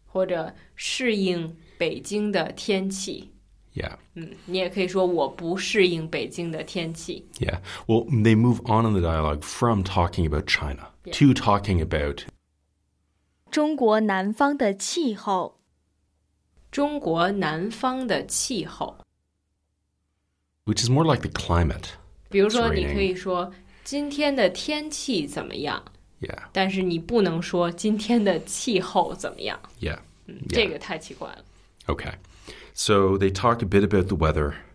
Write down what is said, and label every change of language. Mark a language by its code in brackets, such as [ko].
[zh] 对,适应中国,或者适应北京的天气. Yeah. 你也可以说我不适应北京的天气. Yeah. [en] Well, they move on in the dialogue from talking about China to talking about... [zh] 中国南方的气候. 中国南方的气候. [en] Which is more like the climate. [zh] 比如说你可以说今天的天气怎么样? Yeah. 但是你不能说今天的气候怎么样? Yeah. 这个太奇怪了。 Okay. [en] So they talk a bit about the weather.